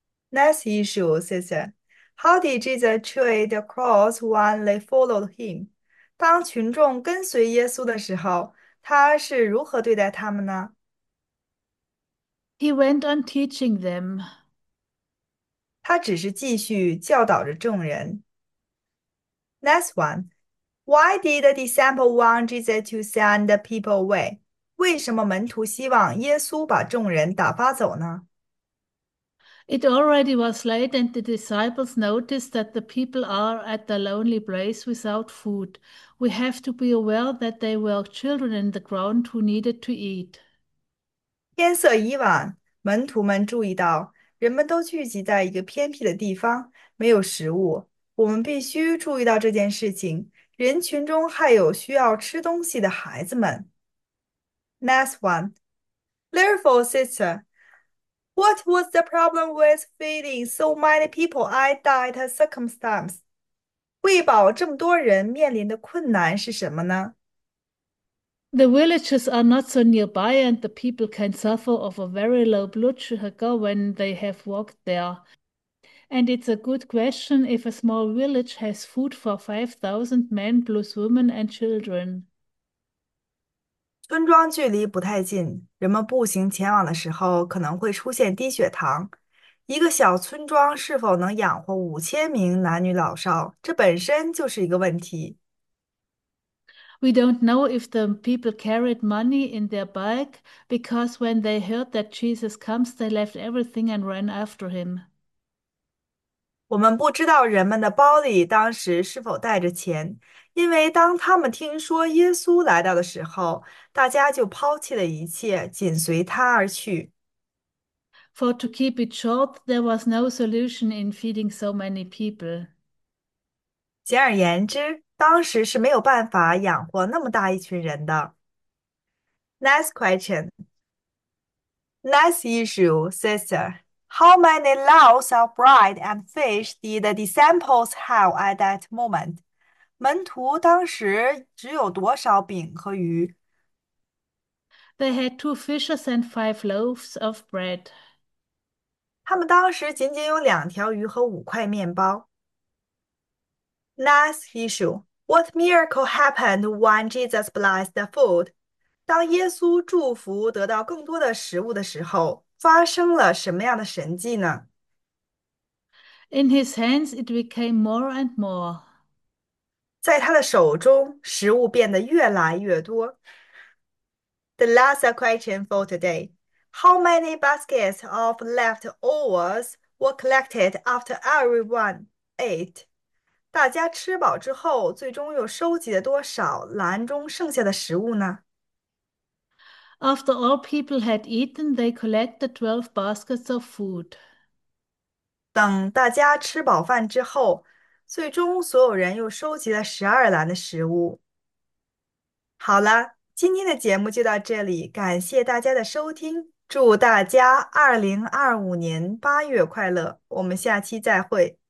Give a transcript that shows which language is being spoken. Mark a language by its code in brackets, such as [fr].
[en] Next issue, sister. How did Jesus treat the crowds when they followed him? [zh] 当群众跟随耶稣的时候，他是如何对待他们呢？ [en] He went on teaching them. [zh] 他只是继续教导着众人。 [en] Next one, why did the disciple want Jesus to send the people away? [zh] 为什么门徒希望耶稣把众人打发走呢？ [en] It already was late, and the disciples noticed that the people are at the lonely place without food. We have to be aware that there were children in the ground who needed to eat. [zh] 天色已晚，门徒们注意到。人们都聚集在一个偏僻的地方，没有食物。我们必须注意到这件事情。人群中还有需要吃东西的孩子们。 [en] Next one. Therefore, sister, what was the problem with feeding so many people at that circumstance? [zh] 喂饱这么多人面临的困难是什么呢？ [en] The villages are not so nearby, and the people can suffer of a very low blood sugar when they have walked there. And it's a good question if a small village has food for 5,000 men plus women and children. [zh] 村庄距离不太近，人们步行前往的时候可能会出现低血糖。一个小村庄是否能养活5000名男女老少，这本身就是一个问题。 [en] We don't know if the people carried money in their bag, because when they heard that Jesus comes, they left everything and ran after him. [zh] 我们不知道人们的包里当时是否带着钱，因为当他们听说耶稣来到的时候，大家就抛弃了一切，紧随他而去。 [en] For to keep it short, there was no solution in feeding so many people. [zh] 简而言之，当时是没有办法养活那么大一群人的。 [en] Next question. Next issue, sister. How many loaves of bread and fish did the disciples have at that moment? [zh] 门徒当时只有多少饼和鱼？ [en] They had two fishes and five loaves of bread. [zh] 他们当时仅仅有2条鱼和5块面包。 [en] Next issue: What miracle happened when Jesus blessed the food? [zh] 当耶稣祝福得到更多的食物的时候，发生了什么样的神迹呢？ [en] In his hands, it became more and more. [zh] 在他的手中，食物变得越来越多。 [en] The last question for today: How many baskets of leftovers were collected after everyone ate? [zh] 大家吃饱之后，最终又收集了多少篮中剩下的食物呢？ [en] After all people had eaten, they collected 12 baskets of food. [zh] 等大家吃饱饭之后，最终所有人又收集了12篮的食物。好了，今天的节目就到这里，感谢大家的收听，祝大家2025年8月快乐，我们下期再会。